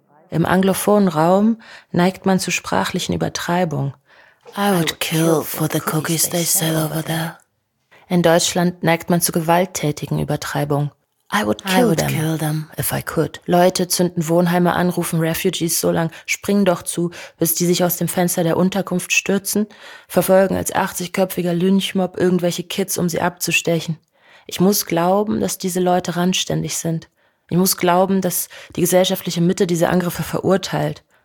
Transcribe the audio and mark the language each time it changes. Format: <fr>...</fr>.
<de>Im anglophonen Raum neigt man zu sprachlichen Übertreibungen.</de> <en>I would kill for the cookies they sell over there.</en> <de>In Deutschland neigt man zu gewalttätigen Übertreibungen.</de> <en>I would kill them, if I could.</en> <de>Leute zünden Wohnheime an, rufen Refugees so lang, springen doch zu, bis die sich aus dem Fenster der Unterkunft stürzen, verfolgen als 80-köpfiger Lynchmob irgendwelche Kids, um sie abzustechen. Ich muss glauben, dass diese Leute randständig sind. Ich muss glauben, dass die gesellschaftliche Mitte diese Angriffe verurteilt.</de>